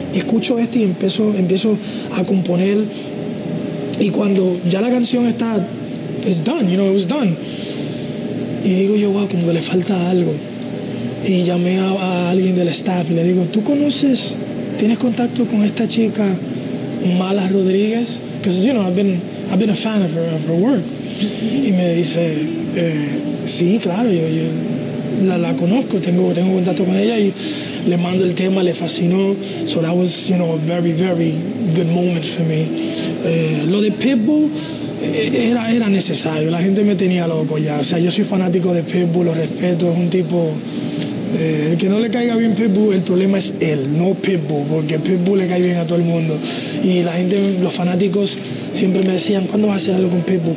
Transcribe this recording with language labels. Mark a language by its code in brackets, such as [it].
[es] Escucho este y empiezo a componer, y cuando ya la canción está, [en] it's done, you know, it was done. [es] Y digo yo, wow, como que le falta algo. Y llamé a alguien del staff y le digo, ¿tú conoces, tienes contacto con esta chica, Mala Rodríguez? [en] Because, you know, I've been a fan of her work. [es] Y me dice, sí, claro, yo la conozco, tengo contacto con ella, y le mando el tema, le fascinó. [en] So that was, you know, a very, very good moment for me. [es] Lo de Pitbull era necesario, la gente me tenía loco ya. O sea, yo soy fanático de Pitbull, lo respeto, es un tipo... el que no le caiga bien Pitbull, el problema es él, no Pitbull, porque Pitbull le cae bien a todo el mundo. Y la gente, los fanáticos, siempre me decían, ¿cuándo vas a hacer algo con Pitbull?